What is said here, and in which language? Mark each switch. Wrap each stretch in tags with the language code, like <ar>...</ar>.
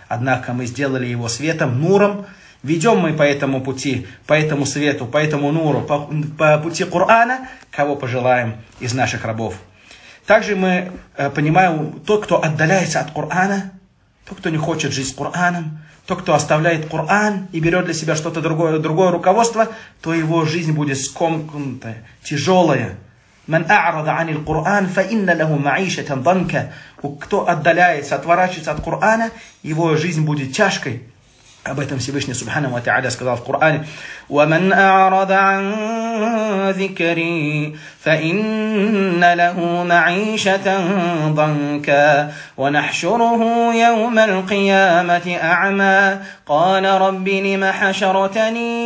<ru>Однако мы сделали его светом, нуром, ведем мы по этому пути, по этому свету, по этому нуру, по пути Корана, кого пожелаем из наших рабов. Также мы понимаем, тот, кто отдаляется от Корана, тот, кто не хочет жить с Кораном, тот, кто оставляет Коран и берет для себя что-то другое, другое руководство, то его жизнь будет скомканная, тяжелая.</ru> <ar>من أعرض عن القرآن فإن له معيشة ضنكة.</ar> <ru>Кто отдаляется, отворачивается от Корана, его жизнь будет тяжкой. Об этом Всевышний Субхана ва Тааля сказал в Коране.</ru> <ar>ومن أعرض عن ذكري فإن له معيشة ضنكة ونحشره يوم القيامة أعمى قال رب لم حشرتني</ar>